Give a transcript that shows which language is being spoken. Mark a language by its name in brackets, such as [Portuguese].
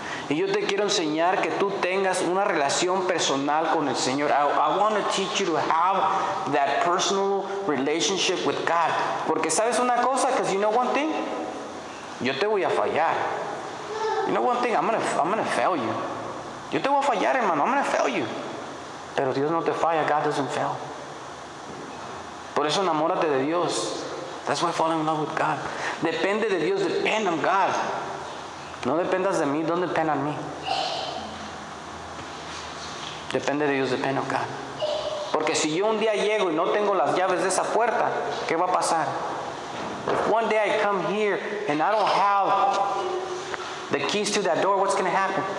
[Spanish] Y yo te quiero enseñar que tú tengas una relación personal con el Señor. [English] I want to teach you to have that personal relationship with God. [Spanish] Porque sabes una cosa, [English] because you know one thing, [Spanish] yo te voy a fallar. [English] You know one thing, I'm gonna fail you. [Spanish] Yo te voy a fallar, hermano. [English] I'm gonna fail you. [Spanish] Pero Dios no te falla. [English] God doesn't fail. [Spanish] Por eso enamórate de Dios. [English] That's why fall in love with God. [Spanish] Depende de Dios. [English] Depend on God. [Spanish] No dependas de mí. [English] Don't depend on me. [Spanish] Depende de Dios. [English] Depend on God. [Spanish] Porque si yo un día llego y no tengo las llaves de esa puerta, ¿qué va a pasar? [English] If one day I come here and I don't have the keys to that door, what's going to happen?